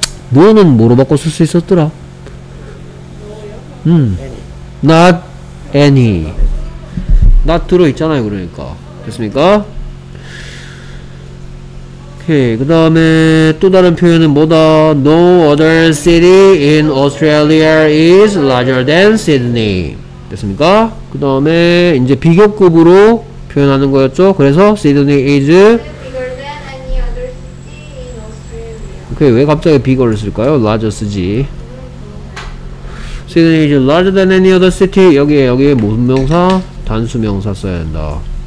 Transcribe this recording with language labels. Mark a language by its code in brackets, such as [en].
[ko] 너는 뭐로 바꿔 쓸 수 있었더라? [en] Not any. [ko] 나 들어있잖아요. 그러니까 됐습니까? 오케이, 그 다음에 또 다른 표현은 뭐다? [en] No other city in Australia is larger than Sydney. [ko] 됐습니까? 그 다음에 이제 비교급으로 표현하는 거였죠. 그래서 [en] Sydney is bigger than any other city in Australia. [ko] 오케이, 왜 갑자기 [en] bigger를 쓸까요? larger 쓰지. Sydney is larger than any other city. [ko] 여기에 무슨 명사? 단수 명사 써야 된다.